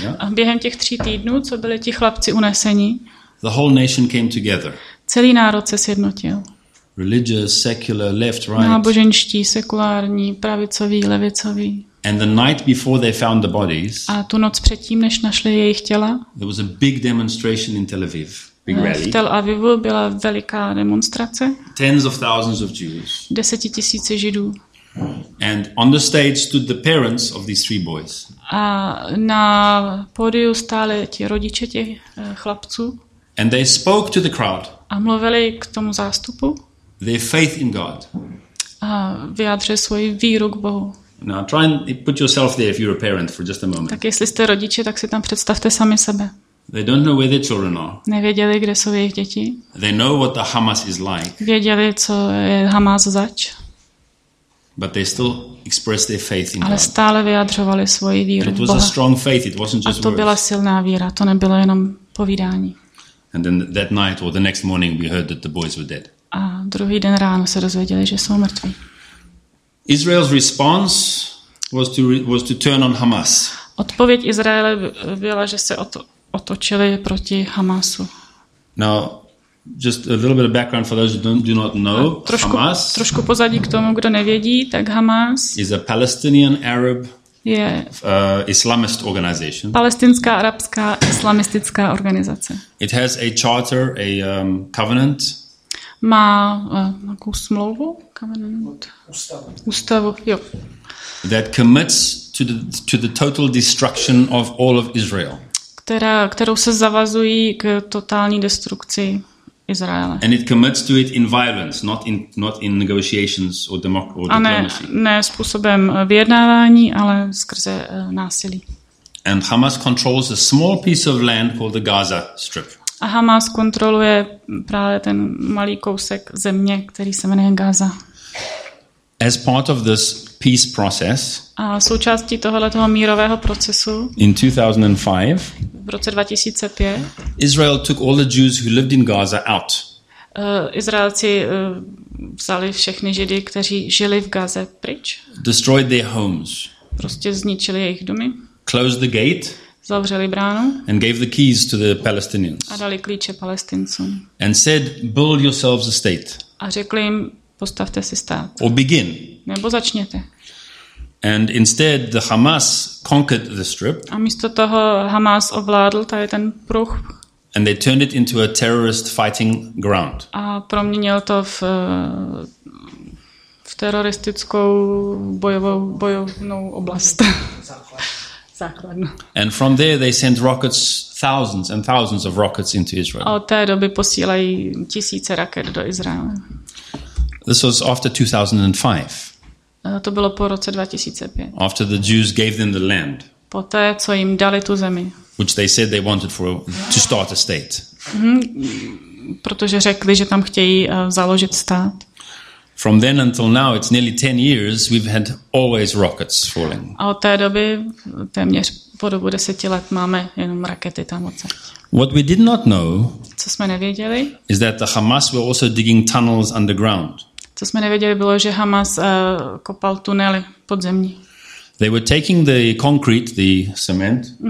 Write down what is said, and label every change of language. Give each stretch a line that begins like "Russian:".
Czech: Během těch 3 týdnů, co byli ti chlapci uneseni.
English: The whole nation came together.
Czech: Celý národ se sjednotil.
English: Religious, secular, left, right.
Czech: Náboženští, sekulární, pravicoví, levicoví.
English: And the night before they found the bodies.
Czech: A tu noc předtím, než našli jejich těla.
English: There was a big demonstration in Tel Aviv.
Czech: V Tel Avivu byla veliká demonstrace.
English: Tens of thousands of Jews.
Czech: Desetitisíce Židů.
English: And on the stage stood the parents of these 3 boys.
Czech: A na pódiu stáli ti rodiče těch chlapců.
English: And they spoke to the crowd.
Czech: A mluvili k tomu zástupu.
English: Their faith in God.
Czech: A vyjádřili svoji víru k Bohu.
English: Now try and put yourself there if you're a parent for just a moment.
Czech: Tak jestli jste rodiče, tak si tam představte sami sebe.
English: They don't know where their children are.
Czech: Nevěděli, kde jsou jejich děti.
English: They know what the Hamas is like.
Czech: Věděli, co je Hamas zač.
English: But they still expressed their faith in God.
Czech: Ale stále vyjadřovali svoji víru.
English: It was a strong faith. It wasn't just
Czech: words. A to byla silná víra. To nebylo jenom povídání.
English: And then that night or the next morning we heard that the boys were dead.
Czech: A druhý den ráno se dozvěděli, že jsou mrtví.
English: Israel's response was to turn on Hamas.
Czech: Odpověď Izraele byla, že se otočili proti Hamasu.
English: Now, just a little bit of background for those who do not know. Hamas.
Czech: Trošku pozadí k tomu, kdo nevědí, tak Hamas
English: is a Palestinian Arab Islamist organization.
Czech: Palestinská arabská islamistická organizace.
English: It has a charter, a covenant.
Czech: Má nějakou smlouvu, covenant. Ústavu. Jo.
English: That commits to the total destruction of all of Israel.
Czech: Kterou se zavazují k totální destrukci Izraele.
English: And it commits to it in violence, not in negotiations or diplomacy.
Czech: A ne způsobem vyjednávání, ale skrze násilí.
English: And Hamas controls a small piece of land called the Gaza Strip.
Czech: A Hamas kontroluje právě ten malý kousek země, který se jmenuje Gaza.
English: As part of this peace process.
Czech: A součástí tohoto mírového procesu.
English: In 2005.
Czech: V roce 2005.
English: Israel took all the Jews who lived in Gaza out.
Czech: Izraelci vzali všechny Židy, kteří žili v Gaze, pryč.
English: Destroyed their homes.
Czech: Prostě zničili jejich domy.
English: Closed the gate.
Czech: Zavřeli bránu.
English: And gave the keys to the Palestinians.
Czech: A dali klíče Palestincům.
English: And said, build yourselves a state.
Czech: A řekli jim, postavte si stát.
English: Or begin.
Czech: Nebo začněte.
English: And instead the Hamas conquered the strip.
Czech: A místo toho Hamas ovládl tady ten pruh.
English: And they turned it into a terrorist fighting ground.
Czech: A proměnil to v teroristickou bojovnou oblast. Základnu.
English: And from there they sent rockets, thousands and thousands of rockets into Israel.
Czech: A od té doby posílají tisíce raket do Izraele.
English: This was after 2005.
Czech: To bylo po roce 2005.
English: After the Jews gave them the land.
Czech: Poté, co jim dali tu zemi.
English: Which they said they wanted to start a state.
Czech: Protože řekli, že tam chtějí založit stát.
English: From then until now, it's nearly 10 years, we've had always rockets falling.
Czech: A od té doby, téměř po dobu 10 let, máme jenom rakety tam odsaď.
English: What we did not know,
Czech: co jsme nevěděli,
English: is that the Hamas were also digging tunnels underground.
Czech: Co jsme nevěděli bylo, že Hamas kopal tunely pod zemí.
English: They were taking the concrete, the cement.